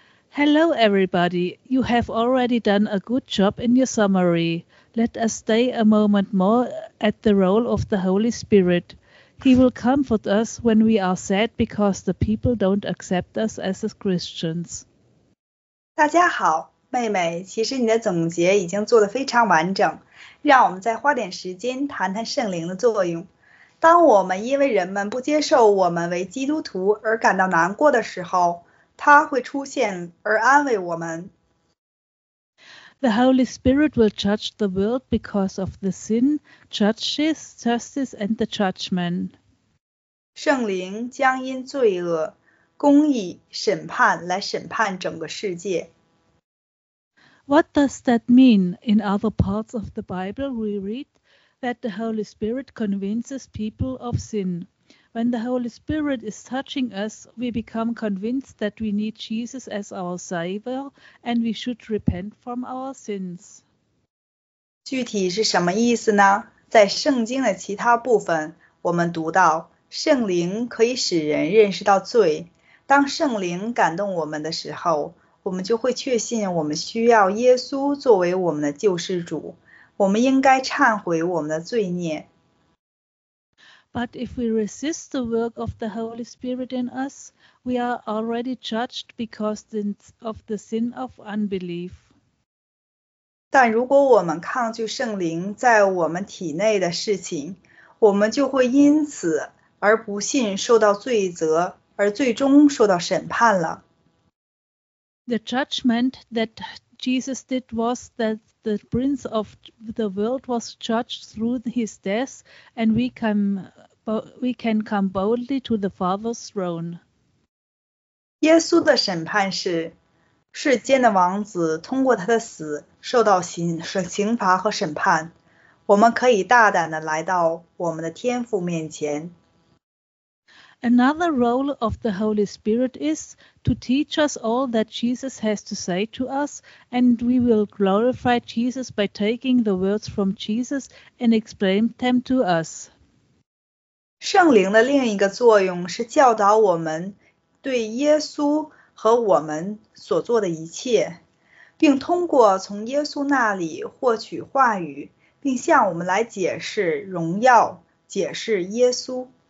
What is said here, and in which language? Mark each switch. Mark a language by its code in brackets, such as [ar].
[en] Hello, everybody. You have already done a good job in your summary. Let us stay a moment more at the role of the Holy Spirit. He will comfort us when we are sad because the people don't accept us as Christians. [zh] 大家好，妹妹，其实你的总结已经做得非常完整。让我们再花点时间谈谈圣灵的作用。当我们因为人们不接受我们为基督徒而感到难过的时候，他会出现而安慰我们。 [en] The Holy Spirit will judge the world because of the sin, judges, justice, and the judgment. [zh] 圣灵将因罪恶、公义、审判来审判整个世界。 [en] What does that mean? In other parts of the Bible, we read that the Holy Spirit convinces people of sin. When the Holy Spirit is touching us, we become convinced that we need Jesus as our Savior and we should repent from our sins. [zh] 具体是什么意思呢？在圣经的其他部分，我们读到，圣灵可以使人认识到罪。当圣灵感动我们的时候，我们就会确信我们需要耶稣作为我们的救世主。我们应该忏悔我们的罪孽。 [en] But if we resist the work of the Holy Spirit in us, we are already judged because of the sin of unbelief. [zh] 但如果我们抗拒圣灵在我们体内的事情，我们就会因此而不信受到罪责，而最终受到审判了。 [en] The judgment that Jesus did was that the prince of the world was judged through his death, and we can come boldly to the Father's throne. [zh] 耶稣的审判是，世间的王子通过他的死受到刑罚和审判，我们可以大胆地来到我们的天父面前。 [en] Another role of the Holy Spirit is to teach us all that Jesus has to say to us, and we will glorify Jesus by taking the words from Jesus and explain them to us. [zh] 圣灵的另一个作用是教导我们对耶稣和我们所做的一切，并通过从耶稣那里获取话语，并向我们来解释荣耀，解释耶稣。